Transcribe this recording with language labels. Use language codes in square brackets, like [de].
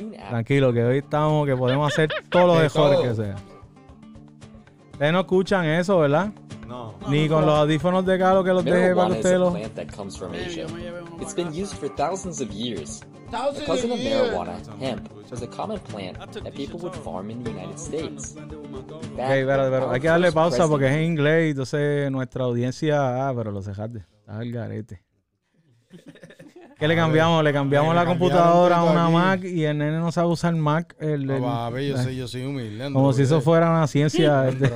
[es] Tranquilo, que hoy estamos, que podemos hacer todos los mejores que sea. Ustedes no escuchan eso, ¿verdad? No. Ni con los audífonos de Galo que los deje para usted. [en] Marijuana is a plant that comes from Asia. It's been used for thousands of years. The cousin of marijuana, hemp, was a common plant that people would farm in the United States. [es] Okay, pero hay que darle pausa porque es en inglés y entonces nuestra audiencia... pero lo dejaste. Al garete. ¿Qué le cambiamos? Le cambiamos la computadora a una Mac y el nene no sabe usar Mac. Yo soy humilde. Como si eso fuera una ciencia.